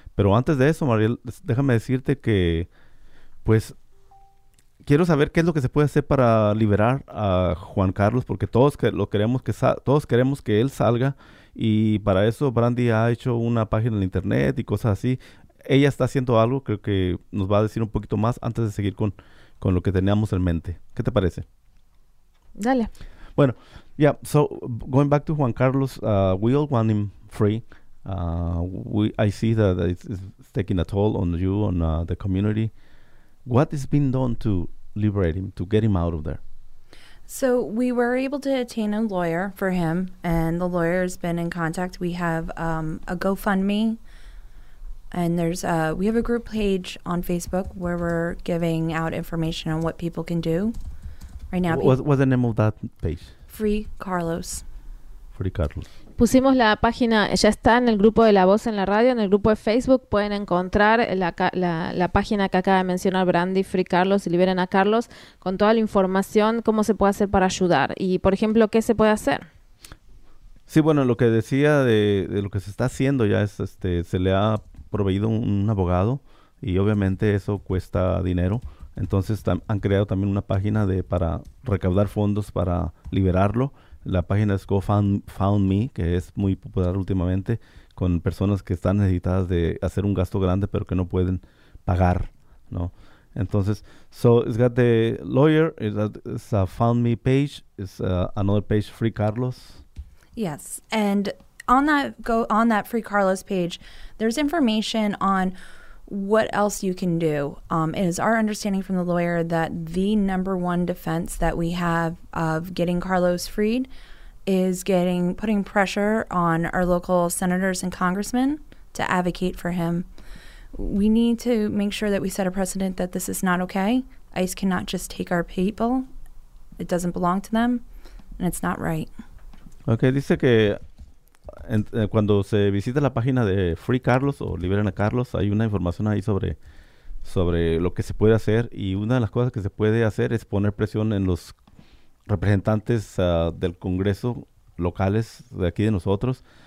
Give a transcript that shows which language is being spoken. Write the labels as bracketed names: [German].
[Spanish] Pero antes de eso, Mariel, déjame decirte que, pues, quiero saber qué es lo que se puede hacer para liberar a Juan Carlos, porque todos queremos que él salga. Y para eso, Brandi ha hecho una página en internet y cosas así. Ella está haciendo algo, creo que nos va a decir un poquito más antes de seguir con lo que teníamos en mente. ¿Qué te parece? Dale. [English] Bueno, yeah, so going back to Juan Carlos, we all want him free. I see that it's taking a toll on you, on the community. What has been done to liberate him, to get him out of there? So we were able to attain a lawyer for him, and the lawyer has been in contact. We have a GoFundMe, and there's we have a group page on Facebook where we're giving out information on what people can do right now. What's the name of that page? Free Carlos. Free Carlos. [Spanish] Pusimos la página, ya está en el grupo de La Voz en la Radio, en el grupo de Facebook. Pueden encontrar la página que acaba de mencionar Brandy, Free Carlos, y Liberen a Carlos, con toda la información, cómo se puede hacer para ayudar. Y, por ejemplo, ¿qué se puede hacer? Sí, bueno, lo que decía de lo que se está haciendo ya es, se le ha proveído un abogado, y obviamente eso cuesta dinero. Entonces, han creado también una página para recaudar fondos para liberarlo. La página es GoFundMe, que es muy popular últimamente, con personas que están necesitadas de hacer un gasto grande, pero que no pueden pagar, ¿no? [English] Entonces, so it's got the lawyer, it's a GoFundMe page, it's another page, Free Carlos. Yes, and on that Free Carlos page, there's information on what else you can do. It is our understanding from the lawyer that the number one defense that we have of getting Carlos freed is putting pressure on our local senators and congressmen to advocate for him. We need to make sure that we set a precedent that this is not okay. ICE cannot just take our people. It doesn't belong to them, and it's not right. [Spanish] Okay, dice que cuando se visita la página de Free Carlos o Liberen a Carlos, hay una información ahí sobre lo que se puede hacer, y una de las cosas que se puede hacer es poner presión en los representantes del Congreso locales de aquí de nosotros.